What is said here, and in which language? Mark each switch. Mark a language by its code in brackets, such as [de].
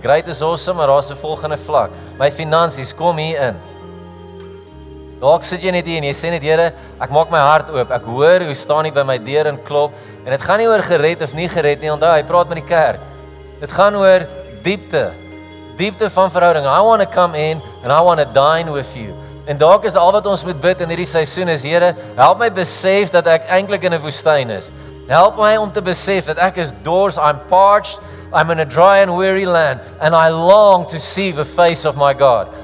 [en] Great is awesome, [af] maar daar's 'n volgende vlak. My finansies, kom hier in. Dalk sit jy net hier en jy sê net, Here, ek maak my hart oop. Ek hoor hoe staan jy by my deur en klop. En dit gaan nie oor gered of nie gered nie. Onthou, hy praat met die kerk. Dit gaan oor diepte. Diepte van verhouding. [en] I want to come in and I want to dine with you. [af] En dalk is al wat ons moet bid in hierdie seisoen is, Here, help my besef dat ek eintlik in 'n woestyn is. Help my om te besef dat ek is dors, [en] I'm parched, I'm in a dry and weary land, and I long to see the face of my God.